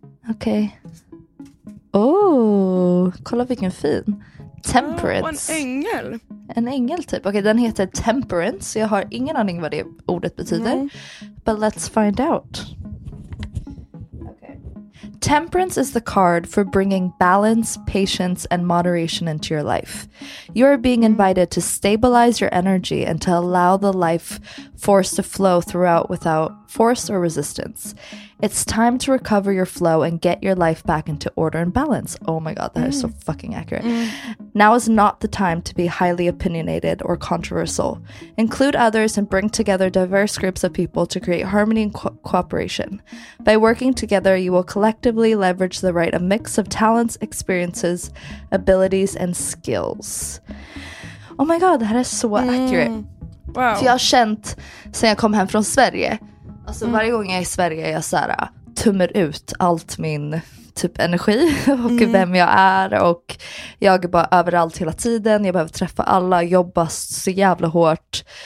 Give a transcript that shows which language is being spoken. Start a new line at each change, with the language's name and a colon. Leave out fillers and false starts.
Swedish: Okej. Okay. Okay. Oh, kolla vilken fin. Temperance. En ängel. En ängel typ. Okej, den heter Temperance. Jag har ingen aning vad det ordet betyder.
English: Mm. But let's find out. Temperance is the card for bringing balance, patience, and moderation into your life. You are being invited to stabilize your energy and to allow the life force to flow throughout without force or resistance. It's time to recover your flow and get your life back into order and balance. Oh my god, that is so fucking accurate. Mm. Now is not the time to be highly opinionated or controversial. Include others and bring together diverse groups of people to create harmony and cooperation. By working together, you will collectively leverage the right a mix of talents, experiences, abilities, and skills. Oh my god, that is so accurate. Wow.
Swedish: För jag har känt sen jag kom hem från Sverige. Alltså varje gång jag är i Sverige är jag så här, tummer ut allt min typ energi och vem jag är. Och jag är bara överallt hela tiden. Jag behöver träffa alla, jobba så jävla hårt.